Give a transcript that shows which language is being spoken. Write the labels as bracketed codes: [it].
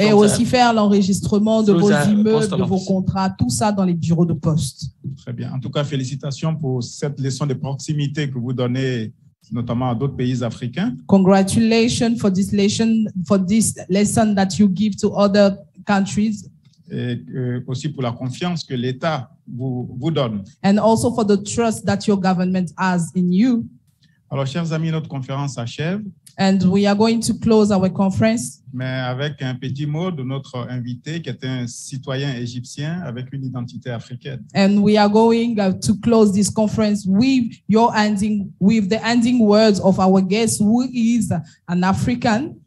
[fr] Et aussi faire l'enregistrement de vos immeubles, de vos contrats, tout ça dans les bureaux de poste. Très bien. En tout cas, félicitations pour cette leçon de proximité que vous donnez, notamment à d'autres pays africains. [en] Congratulations for this lesson that you give to other countries. [fr] Et aussi pour la confiance que l'État vous donne. [en] And also for the trust that your government has in you. [fr] Alors, chers amis, notre conférence s'achève. [en] And we are going to close our conference. [fr] Mais avec un petit mot de notre invité qui est un citoyen égyptien avec une identité africaine. [en] And we are going to close this conference with your ending, with the ending words of our guest who is an African.